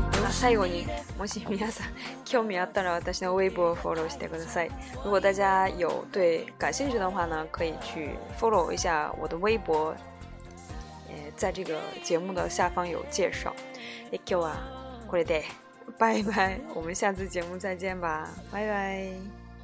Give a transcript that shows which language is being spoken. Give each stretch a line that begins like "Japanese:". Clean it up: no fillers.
Japanese: 最後にもし皆さん興味あったら私のウェイボをフォローしてください。
Chinese: 如果大家有对感兴趣的话呢，可以去 follow 一下我的微博，在这个节目的下方有介绍。
Japanese: 今日はこれで、バイバイ。
Chinese: 我们下次节目再见吧，バイバイ。